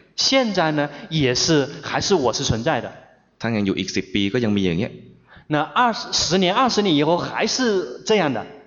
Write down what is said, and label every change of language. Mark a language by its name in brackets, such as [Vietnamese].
[Chinese] 现在呢也是还是我是存在的 [Thai] ทั้งยังอยู่อีก10ปีก็ยังมีอย่างเนี้ย [Chinese] 那10年20年以后还是这样的